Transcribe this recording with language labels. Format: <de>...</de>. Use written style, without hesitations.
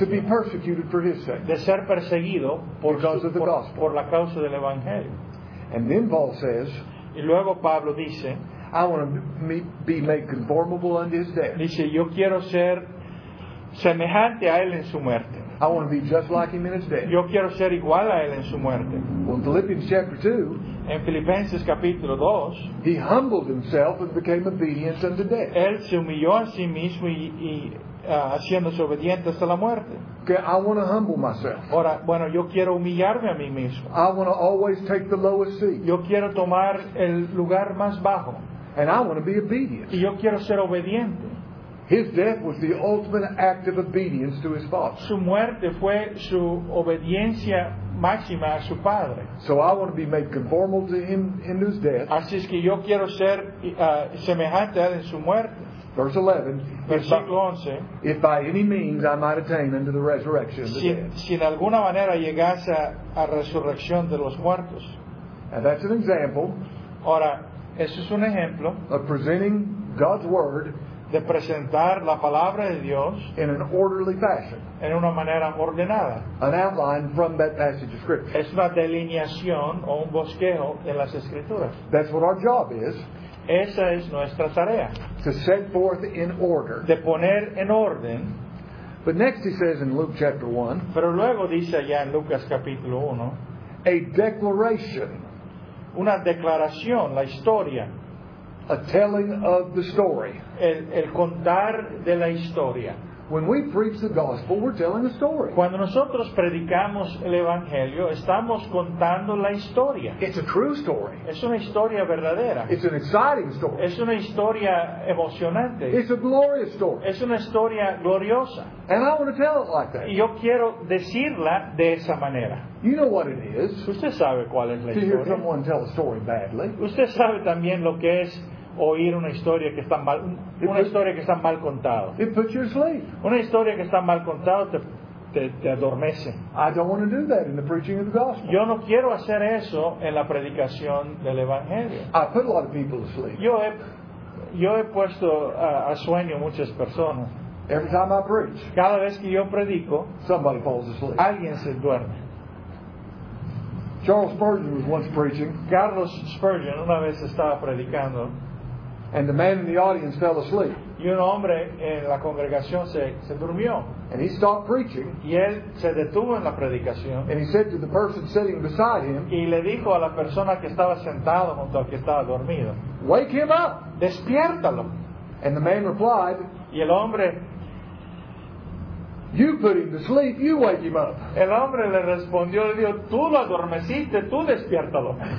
<en>To be persecuted for his sake.</en> <es>De ser perseguido por la causa del evangelio.</es> <en>And then Paul says,</en> <es>y luego Pablo dice,</es> <en>I want to be made conformable unto his death.</en> <es>Dice, yo quiero ser semejante a él en su muerte.</es> <en>I want to be just like him in his death.</en> <es>Yo quiero ser igual a él en su muerte.</es> <en>Well, in Philippians chapter 2,</en> <es>en Filipenses capítulo 2,</es> <en>he humbled himself and became obedient unto death.</en> <es>Él se humilló a sí mismo y haciéndose obediente hasta la muerte.</es> <en>Okay, I want to humble myself.</en> <es>Ahora, bueno, yo quiero humillarme a mí mismo.</es> <en>I want to always take the lowest seat.</en> <es>Yo quiero tomar el lugar más bajo.</es> <en>And I want to be obedient.</en> <es>Y yo quiero ser obediente.</es> <en>His death was the ultimate act of obedience to his father.</en> <es>Su muerte fue su obediencia máxima a su padre.</es> <en>So I want to be made conformable to him in his death.</en> <es>Así es que yo quiero ser semejante a él en su muerte.</es> <en>Verse 11.</en> <es>Versículo 11.</es> <en>If by any means I might attain unto the resurrection of the dead.</en> <es>Si de alguna manera llegase a resurrección de los muertos.</es> <en>And that's an example.</en> <es>Ahora, eso es un ejemplo.</es> <en>Of presenting God's word.</en> <es>De presentar la palabra de Dios</es> <en>in an orderly fashion,</en> <es>en una manera ordenada,</es> <en>an outline from that passage of scripture.</en> <es>Es una delineación o un bosquejo de las escrituras.</es> <en>That's what our job is.</en> <es>Esa es nuestra tarea.</es> <en>To set forth in order.</en> <es>De poner en orden.</es> <en>But next he says in Luke chapter 1,</en> <es>pero luego dice allá en Lucas capítulo 1,</es> <en>a declaration,</en> <es>una declaración, la historia.</es> <en>A telling of the story.</en> <es>El contar de la historia.</es> <en>When we preach the gospel, we're telling a story.</en> <es>Cuando nosotros predicamos el evangelio, estamos contando la historia.</es> <en>It's a true story.</en> <es>Es una historia verdadera.</es> <en>It's an exciting story.</en> <es>Es una historia emocionante.</es> <en>It's a glorious story.</en> <es>Es una historia gloriosa.</es> <en>And I want to tell it like that.</en> <es>Y yo quiero decirla de esa manera.</es> <en>You know what it is.</en> <es>Usted sabe cuál es la historia.</es> <en>To hear someone tell a story badly.</en> <es>Usted sabe también lo que es oír una historia que está mal, una historia que está mal contada.</es> <en>It puts you asleep.</en> <es>Una historia que está mal contada te adormece.</es> <en>I don't want to do that in the preaching of the gospel.</en> <es>Yo no quiero hacer eso en la predicación del evangelio.</es> <en>I put a lot of people to sleep.</en> <es>Yo he puesto a sueño muchas personas.</es> <en>Every time I preach,</en> <es>cada vez que yo predico,</es> <en>somebody falls asleep.</en> <es>Alguien se duerme.</es> <en>Charles Spurgeon was once preaching.</en> <es>Carlos Spurgeon una vez estaba predicando.</es> <en>And the man in the audience fell asleep.</en> <es>Y un hombre en la congregación se durmió.</es> <en>And he stopped preaching.</en> <es>Y él se detuvo en la predicación.</es> <en>And he said to the person sitting beside him.</en> <es>Y le dijo a la persona que estaba sentado junto al que estaba dormido.</es> <en>Wake him up.</en> <es>Despiértalo.</es> <en>And the man replied.</en> <es>Y el hombre.</es> <en>You put him to sleep. You wake him up.</en> <es>El hombre le respondió y dijo, tú lo adormeciste, tú despiértalo.</es>